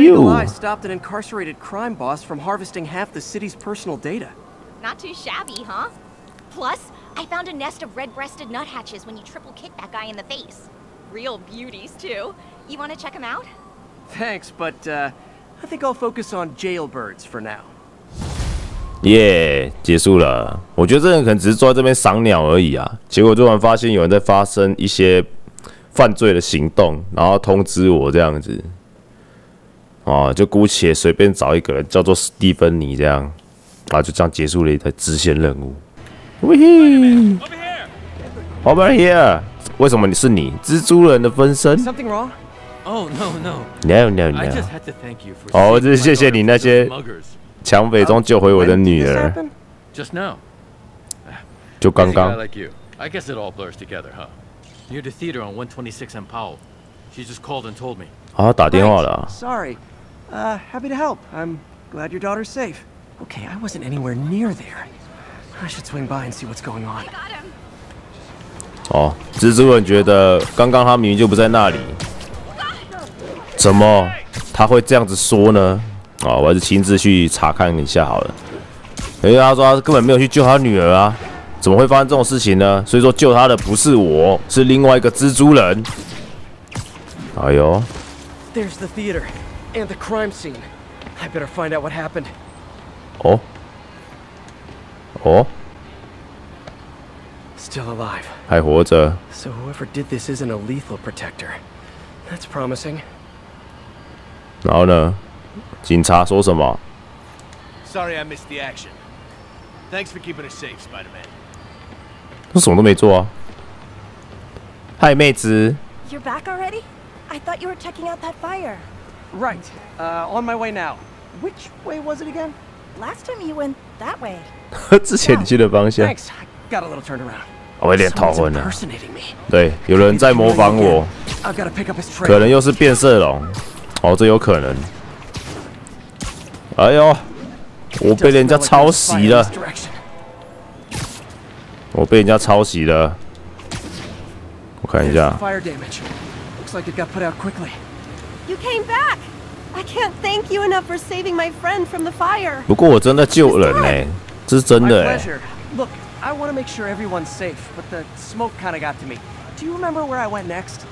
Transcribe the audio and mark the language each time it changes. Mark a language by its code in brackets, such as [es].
[en] Your eagle eye stopped an incarcerated crime boss from harvesting half the city's personal data. Not too shabby, huh? Plus, I found a nest of red-breasted nuthatches when you triple kicked that guy in the face. Real beauties, too. You want to check them out? Thanks, but I think I'll focus on jailbirds for now. [zh] Yeah, 结束了。我觉得这人可能只是坐在这边赏鸟而已啊。结果突然发现有人在发生一些。犯罪的行动，然后通知我这样子，啊，就姑且随便找一个人叫做史蒂芬妮这样，啊，就这样结束了一台支线任务。喂嘿 [en] ，Over here， [zh] 为什么你是你？蜘蛛人的分身 [en] ？Something wrong？ Oh no no no no！ I just had to thank you for。 [zh] 哦，就是谢谢你那些抢匪中救回我的女儿。 [en] Just now。 [zh] 就刚刚。 [en] I guess it all blurs together, huh? Near the theater on 126 and Powell. She just called and told me. [zh] 啊，打电话了。 [en] Sorry, happy to help. I'm glad your daughter's safe. Okay, I wasn't anywhere near there. I should swing by and see what's going on. [zh] 哦，蜘蛛人觉得刚刚他明明就不在那里，怎么他会这样子说呢？哦，我还是亲自去查看一下好了。因为他说他根本没有去救他女儿啊。怎么会发生这种事情呢？所以说救他的不是我，是另外一个蜘蛛人。哎呦 [en] ！There's the theater and the crime scene. I better find out what happened. [zh] 哦？哦 [en] ？Still alive. [zh] 还活着。 [en] So whoever did this isn't a lethal protector. That's promising. [zh] 然后呢？警察说什么 [en] ？Sorry, I missed the action. Thanks for keeping us safe, Spider-Man. [zh] 我什么都没做啊！嗨，妹子。 [en] You're back already? I thought you were checking out that fire. Right. On my way now. Which way was it again? Last time you went that way. [zh] 之前你去的方向。 [en] Thanks. Got a little turnaround. [zh] 我有点头昏了。对，有人在模仿我。 [en] I've got to pick up his trail. [zh] 可能又是变色龙。哦，这有可能。哎呦，我被人家抄袭了。我被人家抄袭了，我看一下。 [en] Fire damage. Looks like it got put out quickly. You came back. I can't thank you enough for saving my friend from the fire. [zh] 不过我真的救人呢，这是真的。 [en] My pleasure. Look, I want to make sure everyone's safe, but the smoke kind of got to me. Do you remember where I went next?